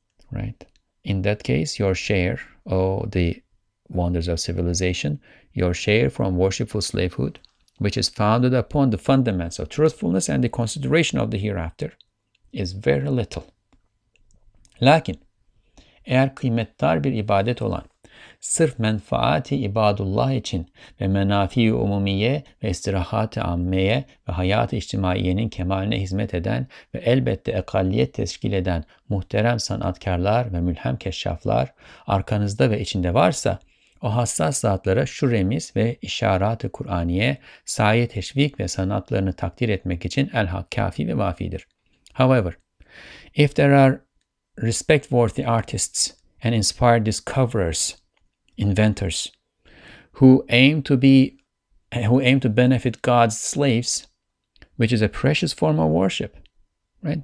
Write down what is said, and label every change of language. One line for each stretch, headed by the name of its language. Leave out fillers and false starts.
English: Right? In that case, your share, the wonders of civilization, your share from worshipful slavehood, which is founded upon the fundaments of truthfulness and the consideration of the hereafter, is very little.
Turkish: Lakin, eğer kıymetdar bir ibadet olan, sırf menfaati ibadullah için ve menafi-i umumiye ve istirahat-ı ammeye ve hayat-ı içtimaiyenin kemaline hizmet eden ve elbette ekaliyet teşkil eden muhterem sanatkarlar ve mülhem keşşaflar arkanızda ve içinde varsa, o hassas zatlara şu remiz ve işarat-ı Kur'aniye, sayet teşvik ve sanatlarını takdir etmek için elhak kafi ve vafidir.
English: However, if there are respect-worthy artists and inspired discoverers, inventors, who aim to benefit God's slaves, which is a precious form of worship, right?